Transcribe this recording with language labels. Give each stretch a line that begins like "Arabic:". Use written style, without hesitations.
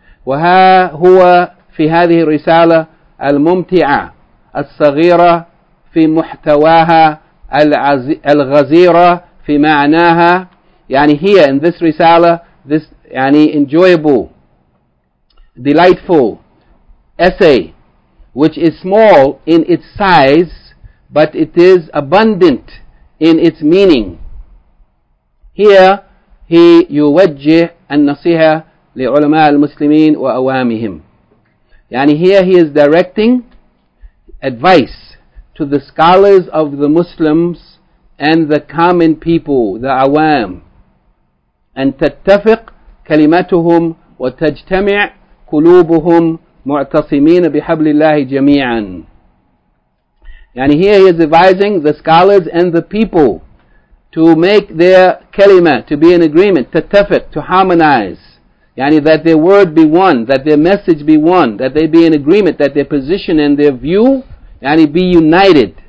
Arabic: وَهَا هُوَ فِي هَذِهِ الرِّسَالَةِ الْمُمْتِعَةِ الصَّغِيرَةِ فِي مُحْتَوَاهَا الْغَزِيرَةِ فِي مَعْنَاهَا.
English: يعني here in this risala, this يعني enjoyable, delightful essay, which is small in its size, but it is abundant in its meaning. Here, he
Arabic: يوجه النصيحة لعلماء المسلمين وأوامهم.
English: يعني here he is directing advice to the scholars of the Muslims and the common people, the awam.
Arabic: And تتفق كلماتهم وتجتمع قلوبهم معتصمين بحبل الله جميعا.
English: يعني here he is advising the scholars and the people to make their kalima, to be in agreement, tattafiq, to harmonize. Yani that their word be one, that their message be one, that they be in agreement, that their position and their view, yani be united.